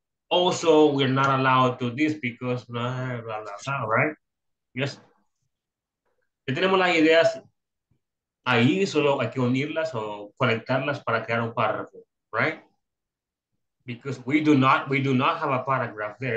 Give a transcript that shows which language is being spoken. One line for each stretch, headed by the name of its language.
English: Also, we're not allowed to do this because blah, blah, blah, blah, right? Yes.
Spanish: Ya tenemos las ideas ahí, solo hay que unirlas o conectarlas para crear un párrafo, right?
English: Because we do not have a paragraph there.